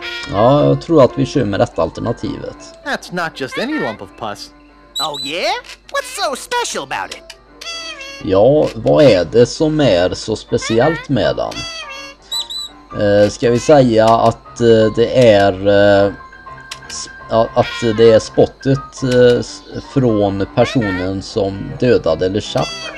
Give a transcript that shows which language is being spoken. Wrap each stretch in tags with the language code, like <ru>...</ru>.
<sv>Ja, jag tror att vi kör med rätt alternativet.</sv> <en>That's not just any lump of pus. Oh yeah? What's so special about it?</en> <sv>Ja, vad är det som är så speciellt med den? Ska vi säga att det är... att det är spottet från personen som dödade LeChuck.</sv>